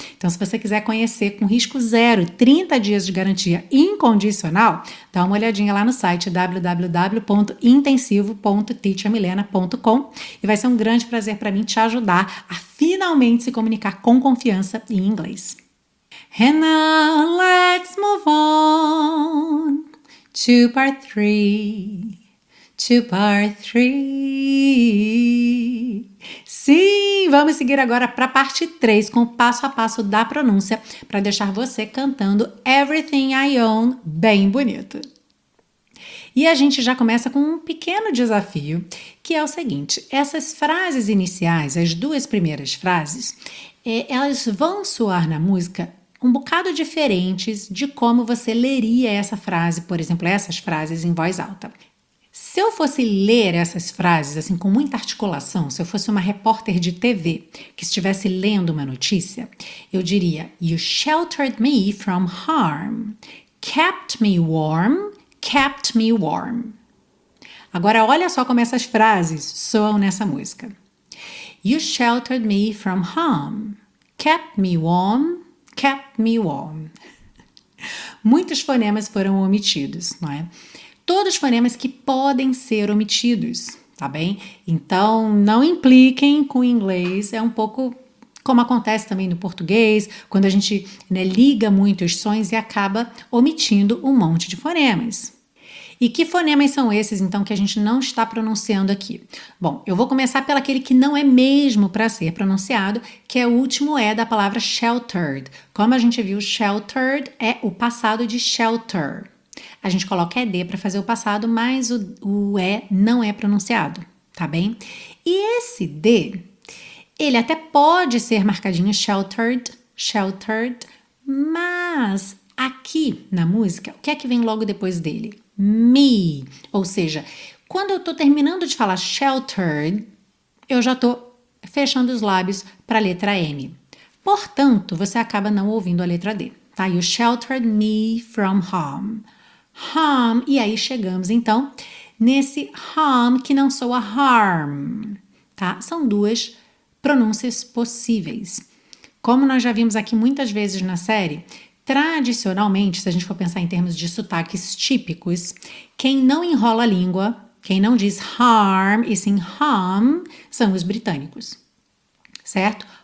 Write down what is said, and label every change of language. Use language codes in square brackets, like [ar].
[pt] Então, se você quiser conhecer com risco zero, 30 dias de garantia incondicional, dá uma olhadinha lá no site www.intensivo.teachermilena.com e vai ser um grande prazer para mim te ajudar a finalmente se comunicar com confiança em inglês. [en] And now let's move on to part three. To part three. [pt] Sim, vamos seguir agora para a parte 3, com o passo a passo da pronúncia, para deixar você cantando Everything I Own bem bonito. E a gente já começa com um pequeno desafio, que é o seguinte: essas frases iniciais, as duas primeiras frases, elas vão soar na música um bocado diferentes de como você leria essa frase, por exemplo, essas frases em voz alta. Se eu fosse ler essas frases assim com muita articulação, se eu fosse uma repórter de TV que estivesse lendo uma notícia, eu diria: [en] You sheltered me from harm, kept me warm, [pt] kept me warm. Agora olha só como essas frases soam nessa música. [en] You sheltered me from harm, kept me warm, kept me warm. [pt] Muitos fonemas foram omitidos, não é? Todos os fonemas que podem ser omitidos, tá bem? Então, não impliquem com o inglês. É um pouco como acontece também no português, quando a gente, né, liga muito os sons e acaba omitindo um monte de fonemas. E que fonemas são esses, então, que a gente não está pronunciando aqui? Bom, eu vou começar pelo aquele que não é mesmo para ser pronunciado, que é o último E da palavra sheltered. Como a gente viu, sheltered é o passado de shelter. A gente coloca ED para fazer o passado, mas o E não é pronunciado, tá bem? E esse D, ele até pode ser marcadinho sheltered, sheltered, mas aqui na música, o que é que vem logo depois dele? Me. Ou seja, quando eu estou terminando de falar sheltered, eu já estou fechando os lábios para a letra M. Portanto, você acaba não ouvindo a letra D, tá? [en] You sheltered me from harm. [pt] Harm, e aí chegamos então nesse harm que não soa harm, tá? São duas pronúncias possíveis. Como nós já vimos aqui muitas vezes na série, tradicionalmente, se a gente for pensar em termos de sotaques típicos, quem não enrola a língua, quem não diz harm e sim harm, são os britânicos, certo?